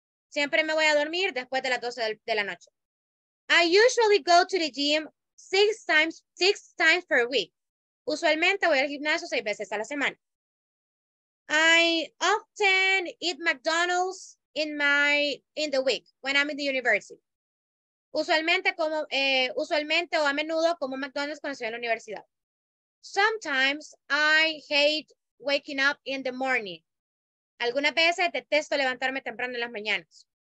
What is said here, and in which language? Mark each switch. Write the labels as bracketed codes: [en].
[es] Siempre me voy a dormir después de las 12 de la noche. [en] I usually go to the gym six times per week. [es] Usualmente voy al gimnasio 6 veces a la semana. [en] I often eat McDonald's in the week when I'm in the university. [es] Usualmente o a menudo como McDonald's cuando estoy en la universidad. [en] Sometimes I hate waking up in the morning. [es] Algunas veces detesto levantarme temprano en las mañanas.